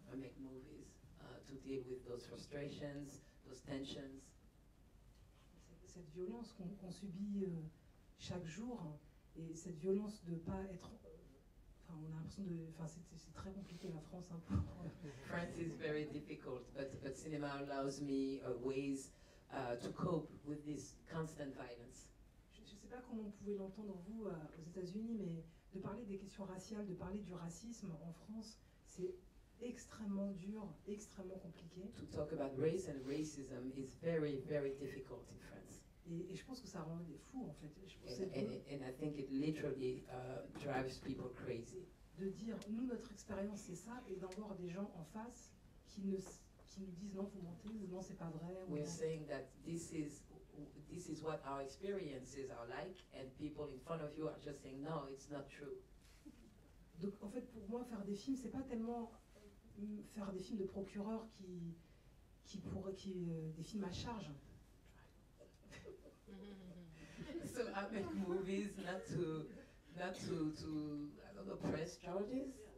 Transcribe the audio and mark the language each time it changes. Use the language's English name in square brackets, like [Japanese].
[English] I make movies to deal with those frustrations, those tensions. [French] Cette violence qu'on subit chaque jour et cette violence de pas être, enfin on a l'impression de enfin c'est très compliqué la France hein, pour [English] France is very difficult but cinema allows me ways to cope with this constant violence. [French] Je sais pas comment on pouvait l'entendre vous aux États-Unis mais de parler des questions raciales, de parler du racisme en France, c'est extrêmement dur, extrêmement compliqué. [English] To talk about race and racism is very very difficult in France. [French] Et je pense que ça rend les fous en fait. Je pense [English] and I think it literally drives people crazy. [French] De dire nous notre expérience c'est ça et d'en voir des gens en face qui nous disent non vous mentez, non c'est pas vrai. [English] We're saying that this is what our experiences are like and people in front of you are just saying no it's not true. [French] Donc en fait pour moi faire des films c'est pas tellement faire des films de procureurs qui des films à charge. [English] So I make movies not to I don't know press charges.